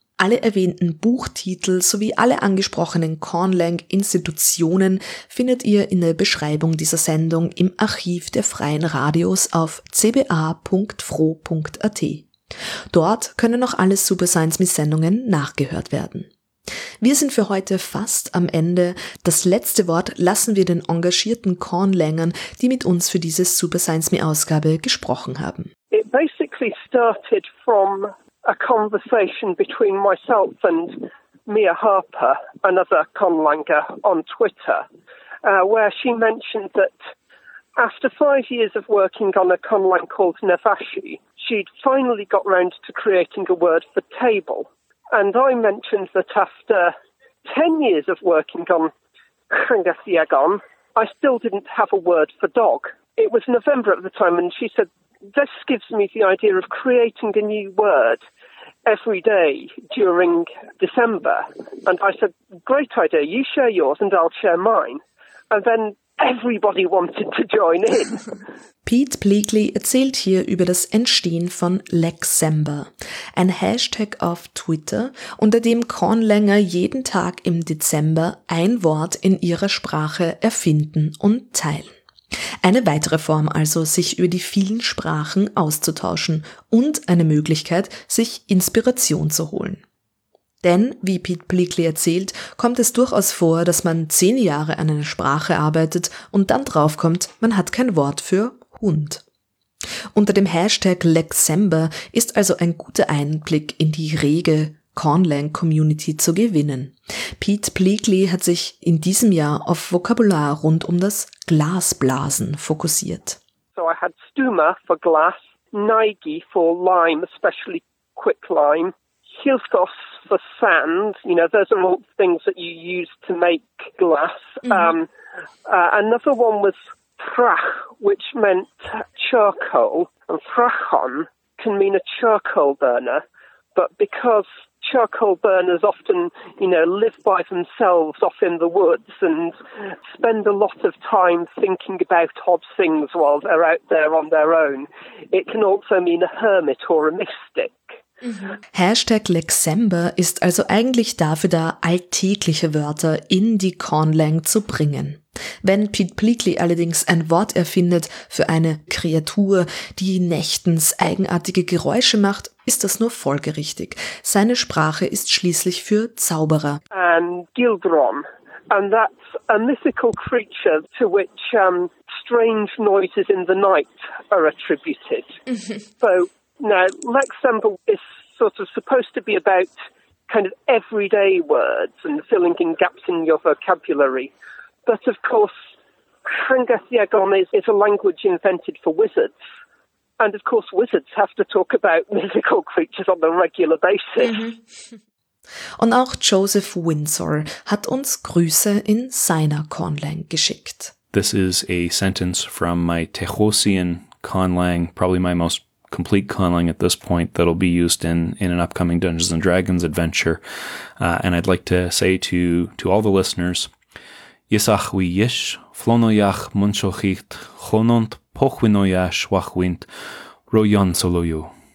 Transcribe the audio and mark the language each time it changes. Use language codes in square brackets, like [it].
[de] Alle erwähnten Buchtitel sowie alle angesprochenen Conlang-Institutionen findet ihr in der Beschreibung dieser Sendung im Archiv der Freien Radios auf cba.fro.at. Dort können noch alle Super Science Miss Sendungen nachgehört werden. Wir sind für heute fast am Ende. Das letzte Wort lassen wir den engagierten Conlangern, die mit uns für diese Super Science Me Ausgabe gesprochen haben. [en] It basically started from a conversation between myself and Mia Harper, another Conlanger, on Twitter, where she mentioned that after 5 years of working on a Conlang called Nevashi, she'd finally got round to creating a word for table. And I mentioned that after 10 years of working on Krangathiagon, I still didn't have a word for dog. It was November at the time, and she said, this gives me the idea of creating a new word every day during December. And I said, great idea, you share yours and I'll share mine. And then everybody wanted to join in. [de] Pete Bleakley erzählt hier über das Entstehen von Lexember, ein Hashtag auf Twitter, unter dem Conlanger jeden Tag im Dezember ein Wort in ihrer Sprache erfinden und teilen. Eine weitere Form also, sich über die vielen Sprachen auszutauschen und eine Möglichkeit, sich Inspiration zu holen. Denn, wie Pete Bleakley erzählt, kommt es durchaus vor, dass man 10 Jahre an einer Sprache arbeitet und dann draufkommt, man hat kein Wort für Hund. Unter dem Hashtag Lexember ist also ein guter Einblick in die rege Conlang-Community zu gewinnen. Pete Bleakley hat sich in diesem Jahr auf Vokabular rund um das Glasblasen fokussiert. [en] So I had Stuma for glass, Nigi for lime, especially quick lime, Hilfos for sand, you know, those are all things that you use to make glass. Mm-hmm. Another one was Frach, which meant charcoal, and frachon can mean a charcoal burner, but because charcoal burners often, you know, live by themselves off in the woods and spend a lot of time thinking about odd things while they're out there on their own, it can also mean a hermit or a mystic. Mhm. [de] Hashtag Lexember ist also eigentlich dafür da, alltägliche Wörter in die Conlang zu bringen. Wenn Pete Bleakley allerdings ein Wort erfindet für eine Kreatur, die nächtens eigenartige Geräusche macht, ist das nur folgerichtig. Seine Sprache ist schließlich für Zauberer. [en] And Gildron, and that's a mythical creature to which strange noises in the night are attributed. So now Lexempel is sort of supposed to be about kind of everyday words and filling in gaps in your vocabulary. But of course, Hangathiagon is a language invented for wizards. And of course, wizards have to talk about mythical creatures on a regular basis. [de] Und auch Joseph Windsor hat uns Grüße in seiner Conlang geschickt. [en] This is a sentence from my Tejosian Conlang, probably my most complete Conlang at this point, that'll be used in an upcoming Dungeons & Dragons adventure. And I'd like to say to all the listeners, Yisach wi yish, flonoyach munchochit, chonont pochwinoyash wachwint, royon soloyu.